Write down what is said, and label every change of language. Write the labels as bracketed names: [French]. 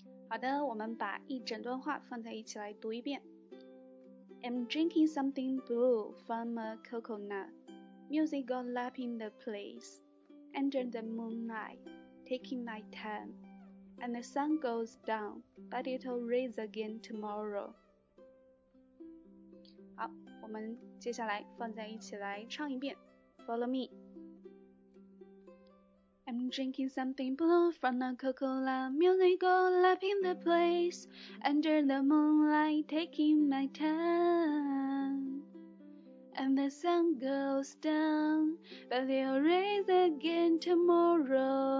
[Chinese] 好的，我们把一整段话放在一起来读一遍。 [English] I'm drinking something blue from a coconut. Music got up in the place. Under the moonlight, taking my time. and the sun goes down, but it'll rise again tomorrow. [Chinese] 好，我们接下来放在一起来唱一遍。 [English] Follow me. I'm drinking something blue from the Coca-Cola musical up in the place under the moonlight taking my time. And the sun goes down, but they'll rise again tomorrow.